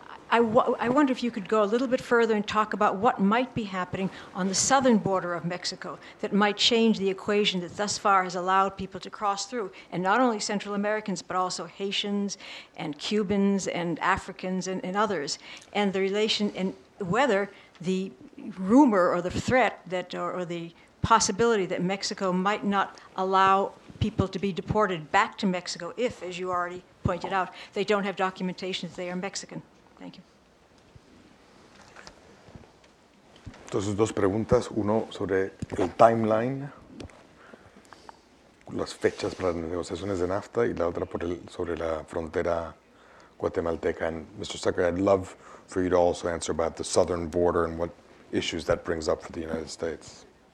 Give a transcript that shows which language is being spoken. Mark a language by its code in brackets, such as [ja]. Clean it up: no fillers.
[en] I wonder if you could go a little bit further and talk about what might be happening on the southern border of Mexico that might change the equation that thus far has allowed people to cross through, and not only Central Americans, but also Haitians and Cubans and Africans and others, and the relation and whether the rumor or the threat that or the possibility that Mexico might not allow people to be deported back to Mexico if, as you already pointed out, they don't have documentation that they are Mexican. Thank you. [es] Entonces, dos preguntas. Uno sobre el timeline, las fechas para las negociaciones de NAFTA, y la otra sobre la frontera guatemalteca. [en] And Mr. Secretary, I'd love for you to also answer about the southern border and what issues that brings up for the United States.